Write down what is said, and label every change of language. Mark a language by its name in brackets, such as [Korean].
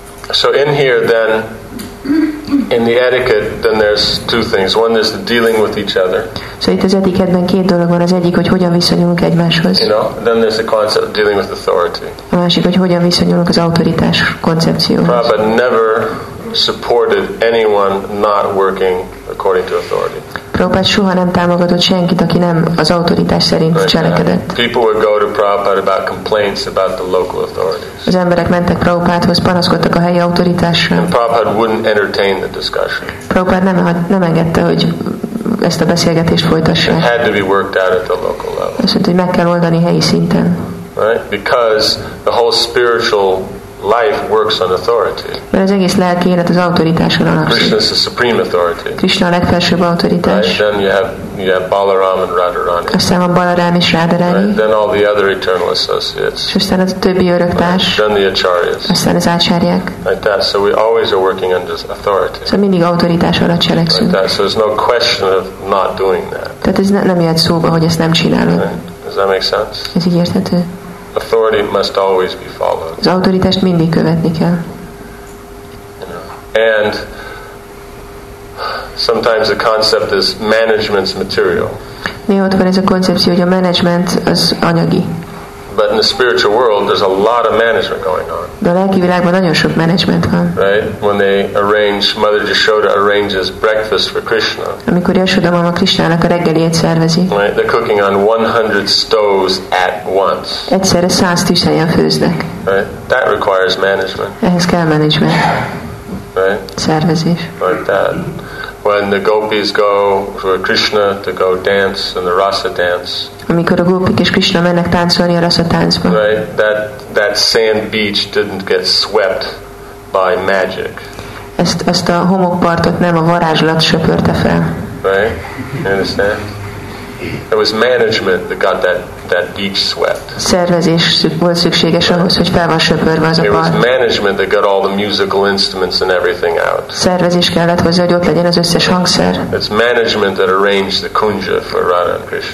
[English] So in here then, in the etiquette, then there's two things. One is the dealing with each other. [Hungarian] So itt az etikettben két dolog van. Az egyik, hogy hogyan viszonyulunk egymáshoz. [English] You know, then there's the concept of dealing with authority. [Hungarian] A másik, hogy hogyan viszonyulunk az autoritás koncepcióhoz. [English] Prabhupada never supported anyone not working according to authority. [Hungarian] Prabhupada soha nem támogatott senkit, aki nem az autoritás szerint cselekedett. [English] People would go to Prabhupada about complaints about the local authorities. [Hungarian] Az emberek mentek Prabhupádhoz, panaszkodtak a helyi autoritásra. [English] And Prabhupada wouldn't entertain the discussion. [Hungarian] Prabhupada nem engedte, hogy ezt a beszélgetést folytassa. [English] It had to be worked out at the local level. [Hungarian] Azt mondta, hogy meg kell oldani helyi szinten. [English] Right? Because the whole spiritual life works on authority. [Hungarian] Mert az egész lelki élet az autoritáson alapszik. [English] Krishna is the supreme authority. [Hungarian] Krishna a legfelsőbb autoritás. [English] Right? Then you have Balaram and Radharani. [Hungarian] Aztán van Balaram és Radharani. [English] Right? Then all the other eternal associates. [Hungarian] És aztán az a többi öröktárs. [English] Right? Then the acharyas. [Hungarian] Aztán az ácsárják. [English] Like that. So we always are working under authority. [Hungarian] Szóval mindig autoritás alatt cselekszünk. [English] Like that. So there's no question of not doing that. [Hungarian] Tehát ez nem jöhet szóba, hogy ezt nem csinálod. [English] Right? Does that make sense? [Hungarian] Ez így érthető. [English] Authority must always be followed. [Hungarian] Az autoritást mindig követni kell. [English] And sometimes the concept is management's material. [Hungarian] Néha ott van ez a koncepció, hogy a management az anyagi. [English] But in the spiritual world, there's a lot of management going on. [Hungarian] De a lelki világban nagyon sok management van. [English] Right? When they arrange, Mother Jashoda arranges breakfast for Krishna. [Hungarian] Amikor Jashoda Mama Krishnának a reggeliét szervezi. [English] Right? They're cooking on 100 stoves at once. [Hungarian] Egyszerre 100 tűzhelyen főznek. [English] Right? That requires management. [Hungarian] Ehhez kell management. [English] Right? [Hungarian] Szervezés. [English] Like that. When the gopis go for Krishna to go dance in the rasa dance. [Hungarian] Amikor a gópik és Krishna mennek táncolni a rasa táncba. [English] Right, that sand beach didn't get swept by magic. [Hungarian] Ezt a homokpartot nem a varázslat söpörte fel. [English] Right, you understand? It was management that got that beach swept. [Hungarian] Szervezés volt szükséges ahhoz, hogy fel van söpörve az a part. [English] It was management that got all the musical instruments and everything out. [Hungarian] Szervezés kellett hozzá, hogy ott legyen az összes hangszer. [English] It's management that arranged the kunja for Radha and Krishna.